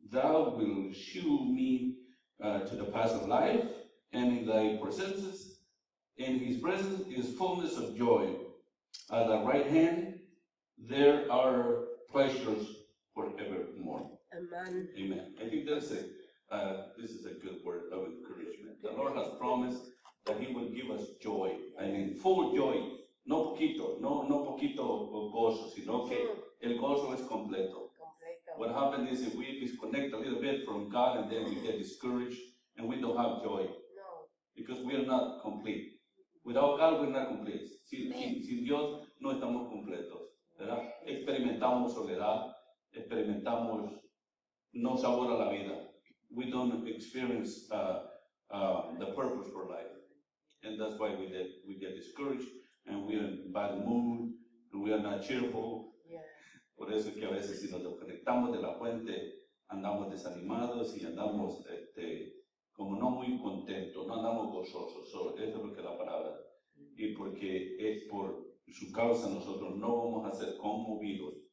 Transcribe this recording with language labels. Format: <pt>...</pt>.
<en>Thou wilt shew me to the path of life, and in thy presence, in his presence is fullness of joy. At the right hand, there are pleasures forevermore. Amen. Amen. I think that's it. This is a good word of encouragement. The Lord has promised that he will give us joy. I mean, full joy.</en> <es>No poquito. No poquito gozo, sino que el gozo es completo.</es> <en>What happens is if we disconnect a little bit from God, and then we get discouraged and we don't have joy. No. Because we are not complete. Without God, we're not complete.</en> <es>Sin Dios, no estamos completos. ¿Verdad? Experimentamos soledad. Experimentamos no sabor a la vida.</es> <en>We don't experience the purpose for life. And that's why we get discouraged, and we are in bad mood, and we are not cheerful.</en> <es>Por eso es que a veces si nos desconectamos de la fuente, andamos desanimados y andamos como no muy contentos, no andamos gozosos. Eso es lo que la palabra. Y porque es por su causa nosotros no vamos a ser conmovidos.</es>